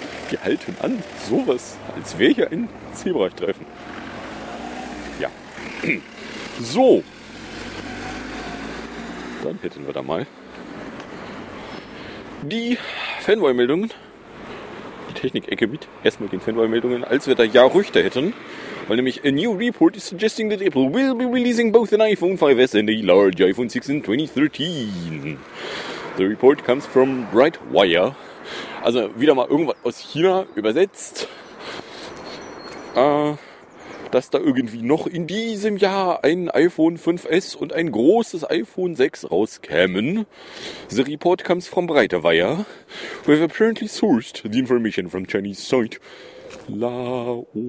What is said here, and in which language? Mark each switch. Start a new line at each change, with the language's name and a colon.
German: Wir halten an, sowas, als wäre hier ein Zebrastreifen. Ja. So. Dann hätten wir da mal die Fanboy-Meldungen. Die Technik-Ecke mit erstmal den Fanboy-Meldungen, als wir da Gerüchte hätten. Weil nämlich
English: a new report is suggesting that Apple will be releasing both an iPhone 5S and a large iPhone 6 in 2013. The report comes from Brightwire.
German: Also wieder mal irgendwas aus China übersetzt, dass da irgendwie noch in diesem Jahr ein iPhone 5S und ein großes iPhone 6 rauskämen.
English: The report comes from Breitewire. We have apparently sourced the information from Chinese site Laoyaoba.